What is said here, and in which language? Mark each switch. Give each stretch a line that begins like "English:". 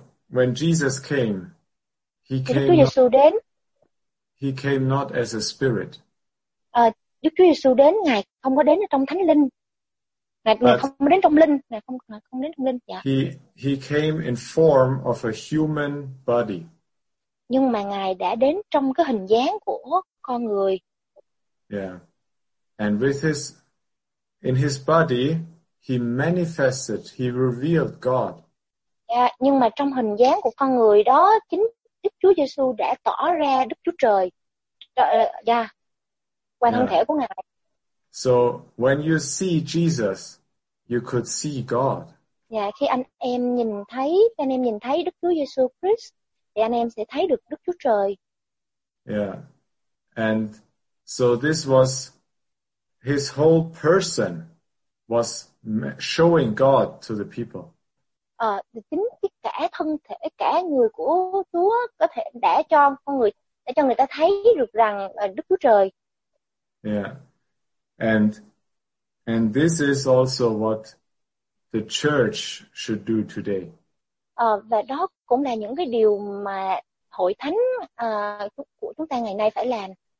English: When Jesus came, he came not as a spirit.
Vietnamese: Đức Chúa Giêsu đến, Ngài không có đến trong thánh linh. Ngài không đến trong linh. Dạ.
English: He came in form of a human body.
Vietnamese: Nhưng mà Ngài đã đến trong cái hình dáng của con người.
English: Yeah. And with his body, he manifested, he revealed God.
Vietnamese: Yeah, nhưng mà trong hình dáng của con người đó, chính Đức Chúa Giêsu đã tỏ ra Đức Chúa Trời. Qua thân thể của Ngài.
English: So when you see Jesus, you could see God.
Vietnamese: Yeah, khi anh em nhìn thấy Đức Chúa Giêsu Christ, thì anh em sẽ thấy được Đức Chúa Trời.
English: Yeah. And so this was his whole person was showing God to the people.
Vietnamese: Chính cả thân thể, cả người của Chúa có thể đã cho người ta thấy được rằng Đức Chúa Trời.
English: Yeah. And this is also what the church should do today.
Vietnamese: Và đó cũng là những cái điều mà hội thánh của chúng ta ngày nay phải làm.